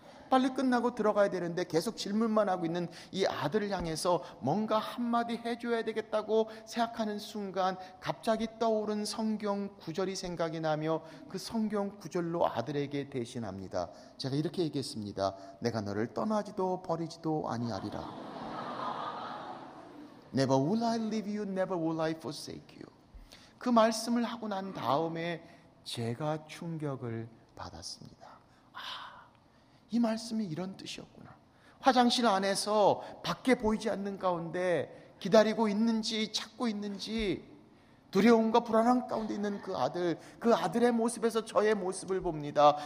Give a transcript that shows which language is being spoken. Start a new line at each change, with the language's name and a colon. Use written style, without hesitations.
Korean: 빨리 끝나고 들어가야 되는데 계속 질문만 하고 있는 이 아들을 향해서 뭔가 한마디 해줘야 되겠다고 생각하는 순간 갑자기 떠오른 성경 구절이 생각이 나며 그 성경 구절로 아들에게 대신합니다. 제가 이렇게 얘기했습니다. 내가 너를 떠나지도 버리지도 아니하리라.
English: Never will I leave you, never will I forsake you.
Korean: 그 말씀을 하고 난 다음에 제가 충격을 받았습니다. 이 말씀이 이런 뜻이었구나. 화장실 안에서 밖에 보이지 않는 가운데 기다리고 있는지 찾고 있는지 두려움과 불안함 가운데 있는 그 아들, 그 아들의 모습에서 저의 모습을 봅니다.